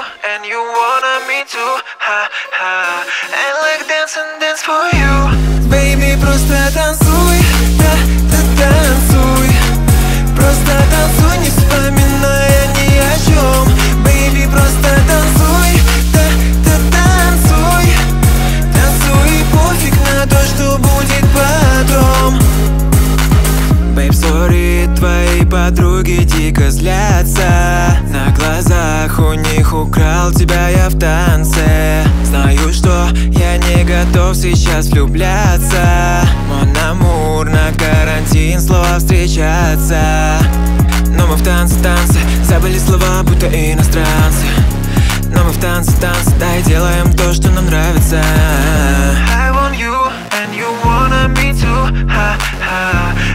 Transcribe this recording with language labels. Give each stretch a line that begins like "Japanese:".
English: and you wanna me to ha ha, and like dance and dance for you.
Russian: Baby, просто танцуй, да, да, танцуй. Просто танцуй, не вспоминая ни о чем. Baby, просто танцуй, да, да, танцуй. Танцуй, пофиг на то, что будет потом.
English: Babe, sorry,
Russian: твои подруги дико злятся. На глазах у них украл тебя я в танце. Знаю, что я не готов сейчас влюбляться.
French: Mon amour,
Russian: на карантин слова встречаться. Но мы в танце, танце, забыли слова, будто иностранцы. Но мы в танце, танце, да и делаем то, что нам нравится.
English: I want you, and you wanna me too, ha-ha.